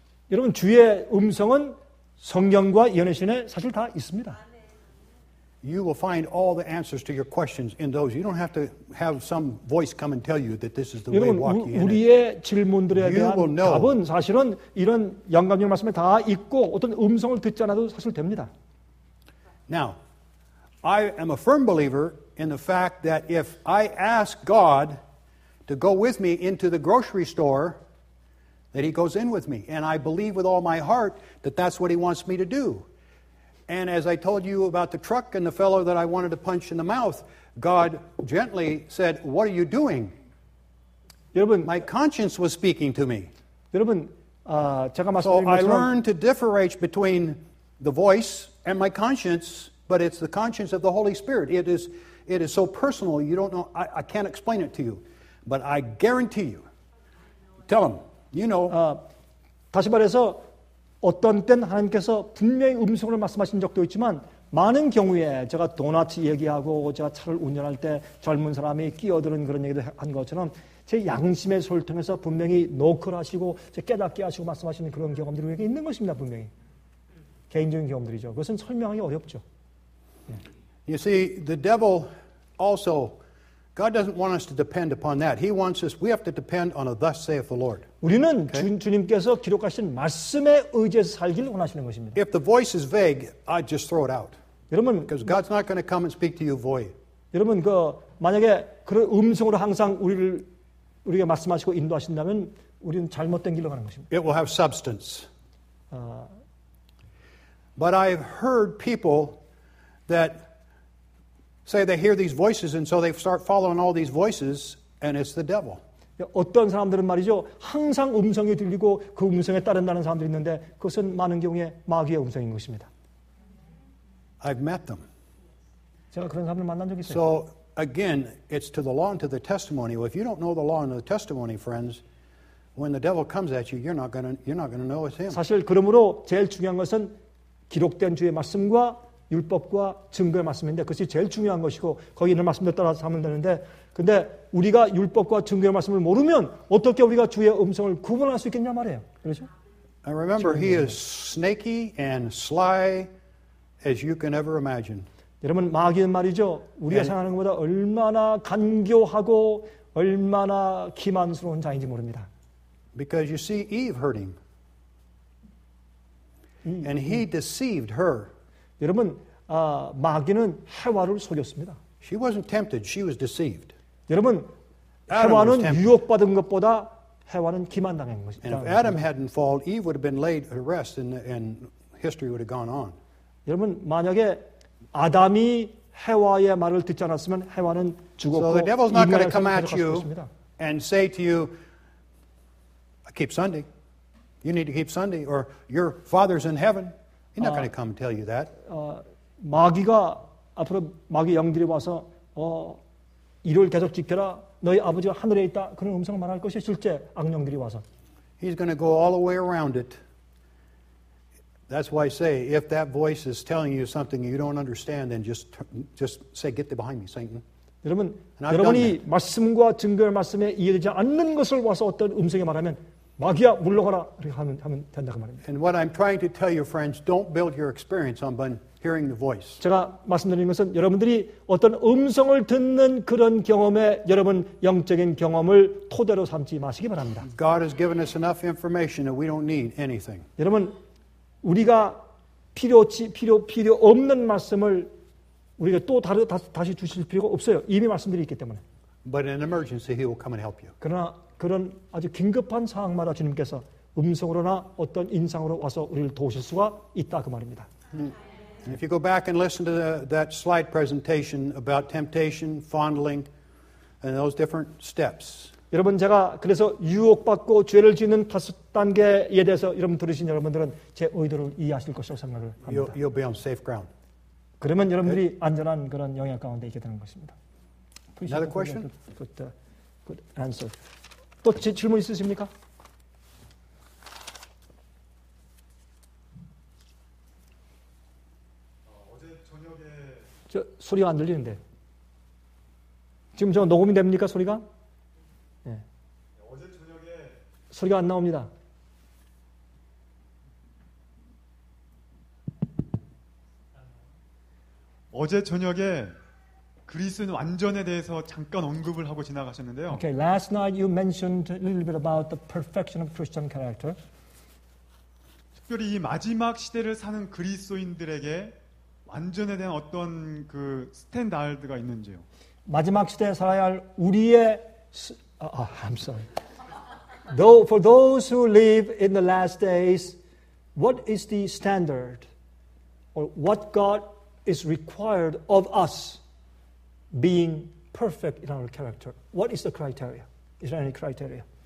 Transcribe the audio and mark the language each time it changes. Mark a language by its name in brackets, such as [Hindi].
[Korean] 여러분, 주의 음성은 성경과 예언신에 사실 다 있습니다. [English] You will find all the answers to your questions in those. You don't have to have some voice come and tell you that this is the way to walk in. [Korean] 우리의 질문들에 대한 답은 사실은 이런 영감님 말씀에 다 있고 어떤 음성을 듣지 않아도 사실 됩니다. [English] Now, I am a firm believer in the fact that if I ask God to go with me into the grocery store, that he goes in with me. And I believe with all my heart that that's what he wants me to do. And as I told you about the truck and the fellow that I wanted to punch in the mouth, God gently said, "What are you doing?" [Korean] 여러분, [English] my conscience was speaking to me. [Korean] 여러분, 제가 말씀드린 것처럼, [English] so I learned to differentiate between the voice and my conscience, but it's the conscience of the Holy Spirit. It is so personal. You don't know. I can't explain it to you, but I guarantee you. Tell him. You know. [Korean] 다시 말해서. 어떤 땐 하나님께서 분명히 음성으로 말씀하신 적도 있지만 많은 경우에 제가 도넛이 얘기하고 제가 차를 운전할 때 젊은 사람이 끼어드는 그런 얘기도 한 것처럼 제 양심의 소리를 통해서 분명히 노크를 하시고 깨닫게 하시고 말씀하시는 그런 경험들이 우리에게 있는 것입니다. 분명히. 개인적인 경험들이죠. 그것은 설명하기 어렵죠. [English] You see, the devil also, God doesn't want us to depend upon that. He wants us, we have to depend on a thus saith the Lord. [Korean] 우리는 okay. 주님께서 기록하신 말씀에 의지해서 살기를 원하시는 것입니다. [English] If the voice is vague, I just throw it out. [Korean] 여러분, [English] because God's not going to come and speak to you void. [Korean] 여러분, 그 만약에 그런 음성으로 항상 우리에게 말씀하시고 인도하신다면 우리는 잘못된 길로 가는 것입니다. [English] It will have substance. But I've heard people that say they hear these voices and so they start following all these voices and it's the devil. [Korean] 어떤 사람들은 말이죠 항상 음성이 들리고 그 음성에 따른다는 사람들이 있는데 그것은 많은 경우에 마귀의 음성인 것입니다. [English] I've met them. [Korean] 제가 그런 사람을 만난 적이 있어요. [English] So again, it's to the law and to the testimony. Well, if you don't know the law and the testimony, friends, when the devil comes at you, you're not gonna know it's him. [Korean] 사실 그러므로 제일 중요한 것은 기록된 주의 말씀과 율법과 증거의 말씀인데 그것이 제일 중요한 것이고 거기 있는 말씀들 따라서 하면 되는데 근데 우리가 율법과 증거의 말씀을 모르면 어떻게 우리가 주의 음성을 구분할 수 있겠냐 말이에요. 그렇죠? [English] I remember he is snaky and sly as you can ever imagine. [Korean] 여러분 마귀는 말이죠. 우리가 생각하는 것보다 얼마나 간교하고 얼마나 기만스러운 자인지 모릅니다. [English] Because you see Eve hurt him. And he deceived her. [Korean] 여러분 마귀는 해와를 속였습니다. [English] She wasn't tempted. She was deceived. [Korean] 여러분 해와는 유혹받은 것보다 해와는 기만 당한 것이. [English] And if Adam hadn't fallen, Eve would have been laid to rest, and history would have gone on. [Korean] 여러분 만약에 아담이 해와의 말을 듣지 않았으면 해와는 죽었고. [English] So the devil's not going to come at you and say to you, "I keep Sunday. You need to keep Sunday, or your father's in heaven." He's not going to come and tell you that. [Korean] 마귀가 앞으로 마귀 영들이 와서 일요일 계속 지켜라. 너희 아버지가 하늘에 있다. 그런 음성 말할 것이 실제 악령들이 와서. [English] He's going to go all the way around it. That's why I say, if that voice is telling you something you don't understand, then just say, "Get thee behind me, Satan." [Korean] 여러분, 여러분이 말씀과 증거의 말씀에 이해되지 않는 것을 와서 어떤 음성에 말하면 마귀야 물러가라 이렇게 하면 된다고 말합니다. [English] And what I'm trying to tell you, friends, don't build your experience on hearing the voice. [Korean] 제가 말씀드리는 것은 여러분들이 어떤 음성을 듣는 그런 경험에 여러분 영적인 경험을 토대로 삼지 마시기 바랍니다. [English] God has given us enough information that we don't need anything. [Korean] 여러분 우리가 필요 없는 말씀을 우리가 또 다시 주실 필요가 없어요. 이미 말씀드리기 때문에. [English] But in an emergency, He will come and help you. [Korean] 그러나 그런 아주 긴급한 상황마다 주님께서 음성으로나 어떤 인상으로 와서 우리를 도우실 수가 있다 그 말입니다. [English] If you go back and listen to that slide presentation about temptation, fondling, and those different steps. [Korean] 여러분 제가 그래서 유혹받고 죄를 짓는 다섯 단계에 대해서 여러분 들으신 여러분들은 제 의도를 이해하실 것이라고 생각을 합니다. [English] You'll be on safe ground. [Korean] 그러면 여러분들이 안전한 그런 영역 가운데 있게 되는 것입니다. [English] Another question? Good answer. [Korean] 또 제 질문 있으십니까? 어제 저녁에 저 소리가 안 들리는데 지금 저 녹음이 됩니까 소리가? 예. 네. 어제 저녁에 소리가 안 나옵니다. 어제 저녁에 그리스 완전에 대해서 잠깐 언급을 하고 지나가셨는데요. [English] Okay, last night you mentioned a little bit about the perfection of Christian character. [Korean] 특별히 이 마지막 시대를 사는 그리스도인들에게 완전에 대한 어떤 그 스탠다드가 있는지요? 마지막 시대에 살아야 할 우리의 [English] I'm sorry. Though for those who live in the last days, what is the standard or what God is required of us? Being perfect in our character. What is the criteria? Is there any criteria?